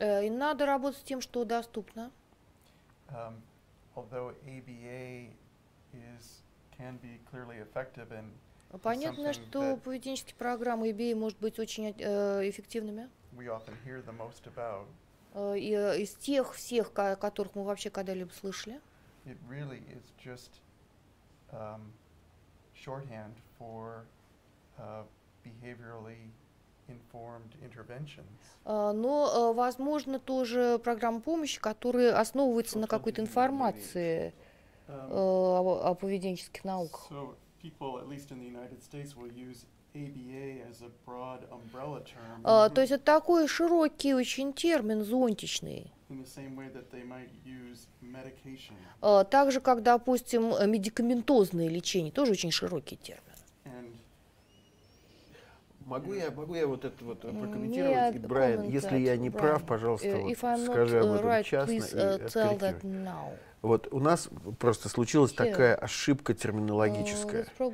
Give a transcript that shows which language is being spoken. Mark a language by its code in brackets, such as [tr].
[ru] И надо работать с тем, что доступно. [en] Although ABA is can be clearly effective and [ru] понятно, что поведенческие программы ABA может быть очень эффективными. [en] We often hear the most about. [ru] И из тех всех, которых мы вообще когда-либо слышали. [en] It really is just shorthand for behaviorally informed interventions. [ru] Но возможно тоже программа помощи, которая основывается на какой-то информации о поведенческих науках. [en] So people, at least in the United States, will use ABA as a broad umbrella term. [ru] То есть это такой широкий очень термин, зонтичный. [en] In the same way that they might use medication. [ru] Так же, как, допустим, медикаментозное лечение, тоже очень широкий термин. Могу я вот это вот прокомментировать? Брайан, если я не прав, пожалуйста, скажи об этом честно и откорректируй. Вот у нас просто случилась такая ошибка терминологическая.